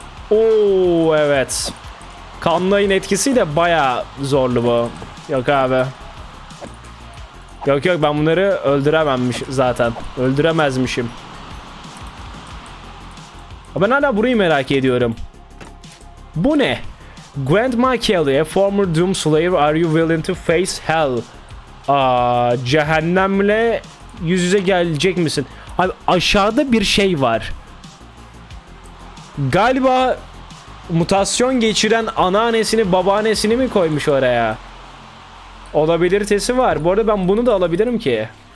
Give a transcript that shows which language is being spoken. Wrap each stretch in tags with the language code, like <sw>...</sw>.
<tr>Oo evet. Kanlı'nın etkisiyle bayağı zorlu bu. Yok abi. Yok yok, ben bunları öldürememiş zaten. Öldüremezmişim. Ben hala burayı merak ediyorum. Bu ne?</tr> <en>Grandma Kelly, a former Doom Slayer, are you willing to face hell?</en> <tr>Cehennemle yüz yüze gelecek misin? Abi aşağıda bir şey var. Galiba mutasyon geçiren anneannesini, babaannesini mi koymuş oraya? Olabilitesi var. Bu arada ben bunu da alabilirim ki.</tr>